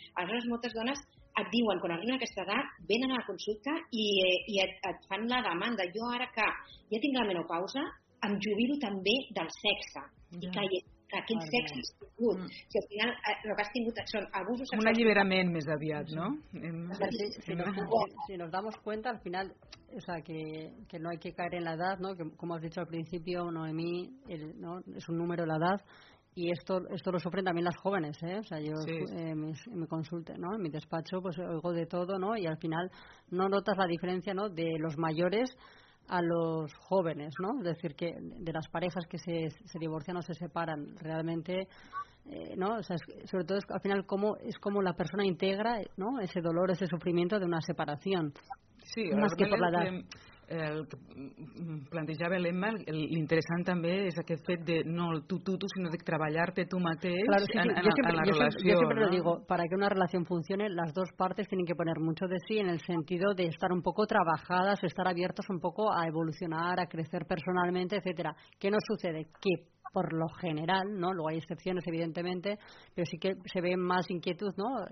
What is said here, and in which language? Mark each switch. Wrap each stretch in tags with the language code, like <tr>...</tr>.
<ca>Aleshores, moltes dones et diuen, quan arriben a aquesta edat, venen a la consulta i et fan la demanda. Jo ara que ja tinc la menopausa, em jubilo també del sexe. Ja. I que quin sexe has tingut. Si al final el que has tingut són abusos sexuals. Un alliberament més aviat, no?</ca> <es>Si nos damos cuenta, al final, o sea, que no hay que caer en la edad, ¿no? Que como has dicho al principio, Noemí, ¿no? Es un número la edad y esto lo sufren también las jóvenes, ¿eh? O sea, yo sí. me consulte, ¿no? En mi despacho pues oigo de todo, ¿no? Y al final no notas la diferencia, ¿no? De los mayores a los jóvenes, ¿no? Es decir, que de las parejas que se divorcian o se separan realmente, ¿no? O sea, sobre todo es, al final cómo es como la persona integra, ¿no? Ese dolor, ese sufrimiento de una separación.</es> <ca>Sí, més que per l'edat. El que plantejava l'Emma, l'interessant també és aquest fet de no el tu, sinó de treballar-te tu mateix,</ca> <es>claro, sí,</es> <ca>en la relació.</ca> <es>Yo siempre ¿no? lo digo, para que una relación funcione, las dos partes tienen que poner mucho de sí en el sentido de estar un poco trabajadas, estar abiertas un poco a evolucionar, a crecer personalmente, etcétera. ¿Qué nos sucede? Que por lo general, ¿no? Luego hay excepciones, evidentemente, pero sí que se ve más inquietud, ¿no?</es>